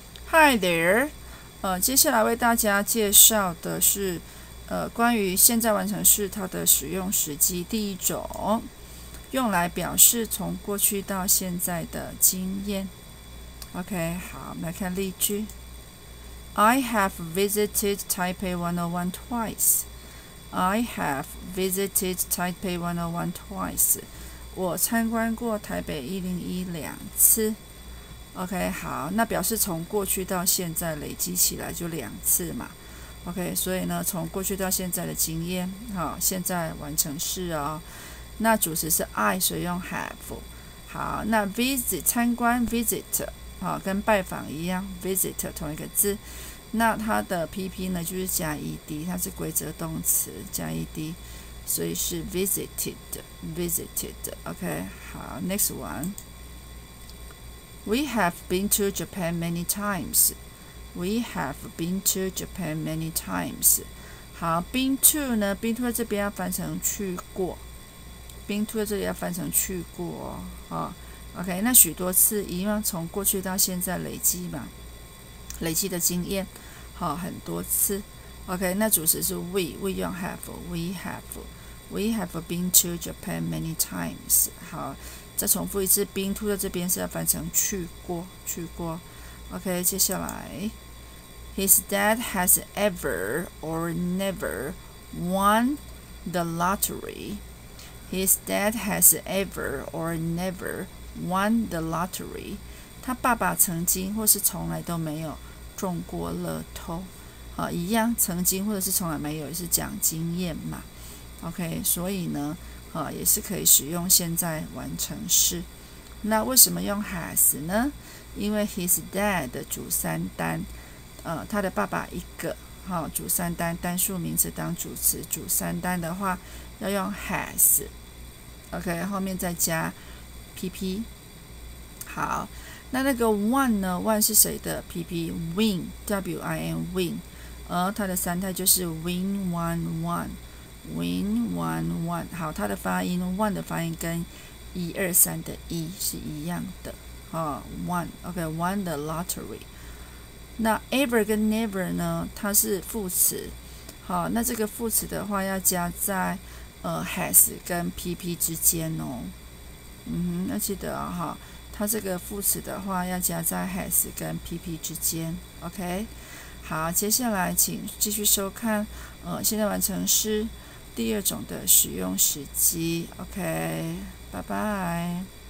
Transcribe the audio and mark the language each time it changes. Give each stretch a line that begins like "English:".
English: Hi there，
Chinese: 接下来为大家介绍的是关于现在完成式它的使用时机。第一种，用来表示从过去到现在的经验。 OK， 好，我们来看例句。
English: I have visited Taipei 101 twice. I have visited Taipei 101 twice.
Chinese: 我参观过台北101两次。 OK， 好，那表示从过去到现在累积起来就两次嘛。 OK， 所以呢，从过去到现在的经验，好，现在完成式哦。那主词是 I， 所以用 have。好，那 visit 参观 visit， 好，跟拜访一样 ，visit 同一个字。那它的 PP 呢，就是加 ed， 它是规则动词加 ed， 所以是 visited。 OK， 好 ，
English: next one。 We have been to Japan many times. We have been to Japan many times.
Chinese: 好 ，been to 呢 ？been to 在这边要翻成去过。 been to 在这里要翻成去过哦。哦 ，OK， 那许多次，一样从过去到现在累积嘛，累积的经验，好、哦、很多次。
English: OK，
Chinese: 那主词是
English: we 用 have， we have been to Japan many times。
Chinese: 好。再重复一次 ，been to 在这边是要翻成去过，去过。
English: OK，
Chinese: 接下来
English: ，His dad has ever or never won the lottery. His dad has ever or never won the lottery.
Chinese: 他爸爸曾经或是从来都没有中过乐透。好，一样，曾经或者是从来没有也是讲经验嘛。 OK， 所以呢。也是可以使用现在完成式。那为什么用 has 呢？因为 his dad 主三单，他的爸爸一个，主三单，单数名词当主词，主三单的话要用 has。 OK， 后面再加 PP。好，那个 win 呢 ？win 是谁的 PP？win，W-I-N，win， 而他的三态就是 win-1-1。 Win one one， 好，它的发音 one 的发音跟一二三的一是一样的，哦 ，one， OK， won the lottery。那 ever 跟 never 呢？它是副词，好，那这个副词的话要加在has 跟 PP 之间哦。嗯哼，要记得哈、哦，它这个副词的话要加在 has 跟 PP 之间 ，OK。好，接下来请继续收看，现在完成式。第二种的使用时机 ，OK， 拜拜。